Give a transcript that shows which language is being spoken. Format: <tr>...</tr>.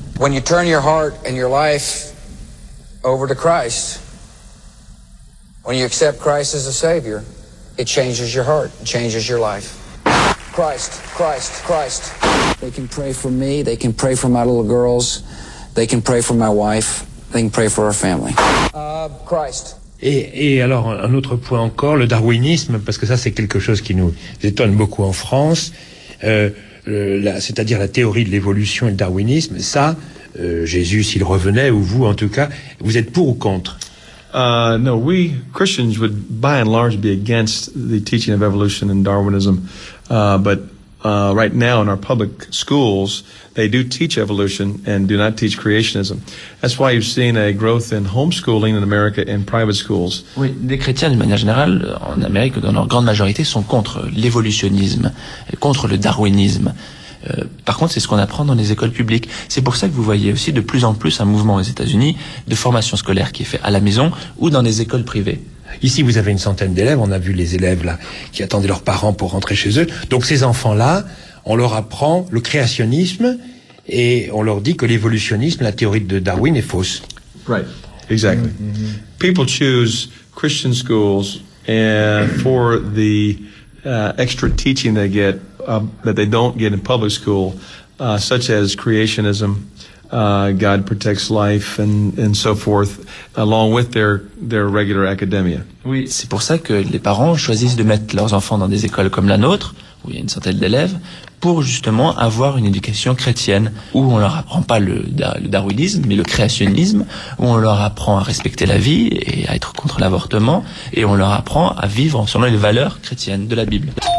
<en>When you turn your heart and your life over to Christ, when you accept Christ as a savior, it changes your heart, it changes your life. Christ, Christ, Christ. They can pray for me, they can pray for my little girls, they can pray for my wife. They pray for our family. Christ.</en> <fr>Et alors, un autre point encore, le darwinisme, parce que ça, c'est quelque chose qui nous étonne beaucoup en France, c'est-à-dire la théorie de l'évolution et le darwinisme, ça, Jésus, s'il revenait, ou vous, en tout cas, vous êtes pour ou contre?</fr> <en>No, we Christians would, by and large, be against the teaching of evolution and Darwinism, right now in our public schools, they do teach evolution and do not teach creationism. That's why you've seen a growth in homeschooling in America in private schools.</en> <fr>Oui, les chrétiens, de manière générale, en Amérique, dans leur grande majorité, sont contre l'évolutionnisme, contre le darwinisme. Par contre, c'est ce qu'on apprend dans les écoles publiques. C'est pour ça que vous voyez aussi de plus en plus un mouvement aux États-Unis de formation scolaire qui est fait à la maison ou dans des écoles privées. Ici, vous avez une centaine d'élèves. On a vu les élèves là qui attendaient leurs parents pour rentrer chez eux. Donc, ces enfants-là, on leur apprend le créationnisme et on leur dit que l'évolutionnisme, la théorie de Darwin, est fausse.</fr> <en>Right, exactly. People choose Christian schools for the extra teaching they get that they don't get in public school, such as creationism. God protects life and so forth, along with their regular academia.</en> <fr>Oui, c'est pour ça que les parents choisissent de mettre leurs enfants dans des écoles comme la nôtre, où il y a une centaine d'élèves, pour justement avoir une éducation chrétienne, où on leur apprend pas le darwinisme, mais le créationnisme, où on leur apprend à respecter la vie et à être contre l'avortement, et on leur apprend à vivre selon les valeurs chrétiennes de la Bible.</fr>